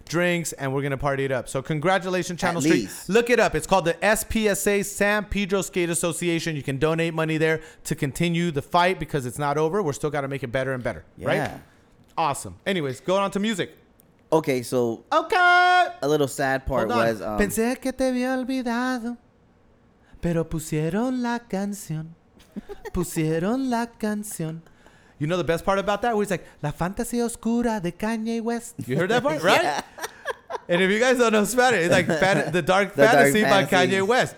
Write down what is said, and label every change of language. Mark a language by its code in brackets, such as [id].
[en] drinks, and we're going to party it up. So congratulations, Channel Street. Look it up. It's called the SPSA, San Pedro Skate Association. You can donate money there to continue the fight because it's not over. We're still got to make it better and better, right? Awesome. Anyways, going on to music. Okay, so. Okay. A little sad part was. [es] Pensé que te había olvidado, pero pusieron la canción. Pusieron la canción. [en] You know the best part about that? Where he's like, La Fantasía Oscura de Kanye West. You heard that part, right? Yeah. And if you guys don't know Spanish, it's like the dark fantasy by Kanye West.